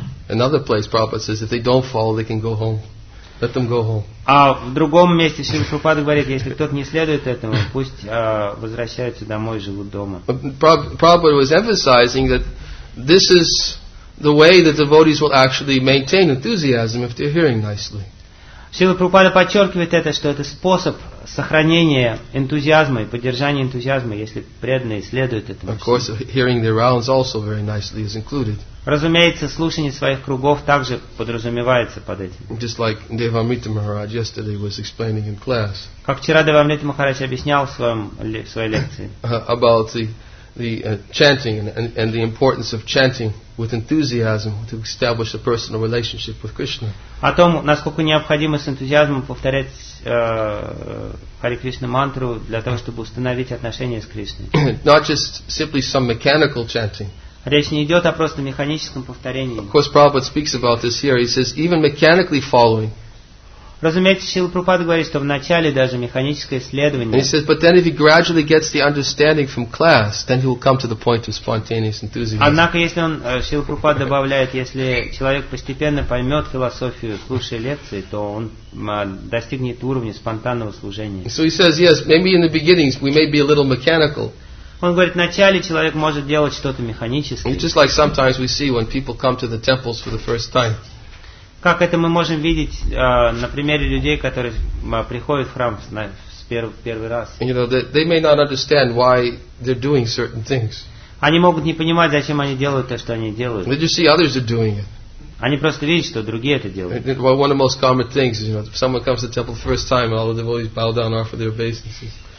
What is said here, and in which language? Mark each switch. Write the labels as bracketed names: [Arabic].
[English] Another place Prabhupada says if they don't follow, they can go home. Let them go home. [Russian] А в другом месте Шрила Прабхупада говорит, если кто-то не следует этому, пусть возвращаются домой, живут дома. [English] Prabhupada was emphasizing that this is the way that devotees will actually maintain enthusiasm if they're hearing nicely. [Russian] Шрила Прабхупада подчеркивает это, что это способ сохранения энтузиазма и поддержания энтузиазма, если преданные следуют этому. [English] Of course, hearing their rounds also very nicely is included. [Russian] Разумеется, слушание своих кругов также подразумевается под этим. [English] Just like Devamrita Maharaj yesterday was explaining in class. [Russian] Как вчера Девамрита Махарадж объяснял в своей лекции. [English] About the chanting and the importance of chanting with enthusiasm to establish a personal relationship with Krishna. [Russian] О том, насколько необходимо с энтузиазмом повторять Hare Krishna мантру для того, чтобы установить отношения с Кришной. [English] Not just simply some mechanical chanting. [Russian] Речь не идет о просто механическом повторении. [English] Of course, Prabhupada speaks about this here. He says, even mechanically following. [Russian] Разумеется, Шрила Прабхупада говорит, что в начале даже механическое исследование. [English] He says, but then if he gradually gets the understanding from class, then he will come to the point of spontaneous enthusiasm. [Russian] Однако, если он, Шрила Прабхупада добавляет, если человек постепенно поймет философию, слушая лекции, то он достигнет уровня спонтанного служения. [English] So he says, yes, maybe in the beginnings we may be a little mechanical. [Russian] Он говорит, вначале человек может делать что-то механическое. [English] Just like sometimes we see when people come to the temples for the first time. [Russian] Как это мы можем видеть на примере людей, которые приходят в храм в первый раз? [English] You know, they may not understand why they're doing certain things. [Russian] Они могут не понимать, зачем они делают то, что они делают. [English] They just see others are doing it. [Russian] Они просто видят, что другие это делают. [English] One of the most common things is, you know, if someone comes to the temple the first time, all the devotees bow down and offer their obeisances.